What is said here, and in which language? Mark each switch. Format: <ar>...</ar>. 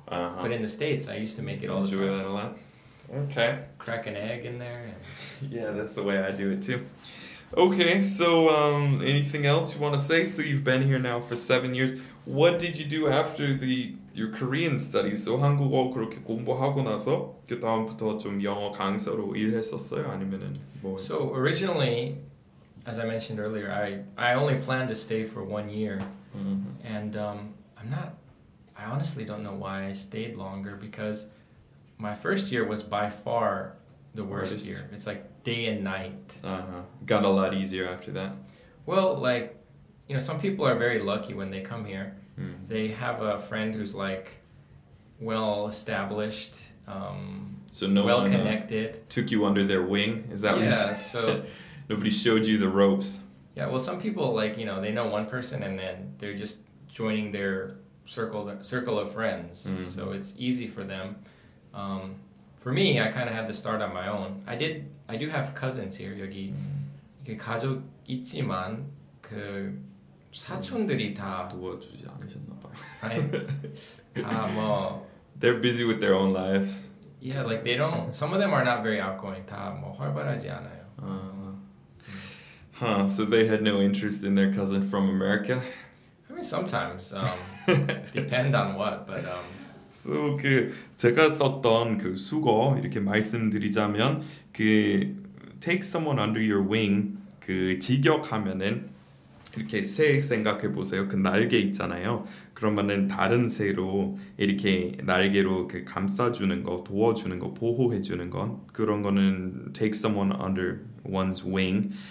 <en>Uh-huh. But in the States, I used to make it all enjoy the time. Enjoy that a lot? Okay. Crack an egg in there. And yeah, that's the way I do it too. Okay, so anything else you want to say? So you've been here now for 7 years. What did you do after your Korean studies?</en> <ko>So 한국어 그렇게 공부하고 나서 그다음부터 좀 영어 강사로 일했었어요? 아니면은 뭐?</ko> <en>So originally, as I mentioned earlier, I only planned to stay for 1 year. Mm-hmm. And I honestly don't know why I stayed longer because my first year was by far the worst year. It's like day and night. Uh-huh. Got a lot easier after that. Well, like, you know, some people are very lucky when they come here. Mm-hmm. They have a friend who's like well-established, so no well-connected. One, took you under their wing? Is that what you said? Yeah, so... Nobody showed you the ropes. Yeah, well, some people, like, you know, they know one person and then they're just joining their circle of friends. Mm-hmm. So it's easy for them. For me, I kind of had to start on my own. I do have cousins here, 여기.</en> <ko>이게 가족 있지만 그 사촌들이 다 도와주지 않으셨나 봐요. 아니, 다 뭐</ko> <en>they're busy with their own lives. Yeah, like they don't some of them are not very outgoing.</en> <ko>다 뭐 활발하지 않아요.</ko> <en>Huh, so they had no interest in their cousin from America? I mean, sometimes depend on what, but</en> <ko>So, 그 제가 썼던 그 수거 이렇게 말씀드리자면 그</ko> <en>take someone under your wing</en> <ko>그 직역하면은 이렇게 새 생각해 보세요 그 날개 있잖아요 그러면은 다른 새로 이렇게 날개로 그 감싸주는 거 도와주는 거 보호해 주는 건 그런 거는</ko> <en>take someone under one's wing.</en>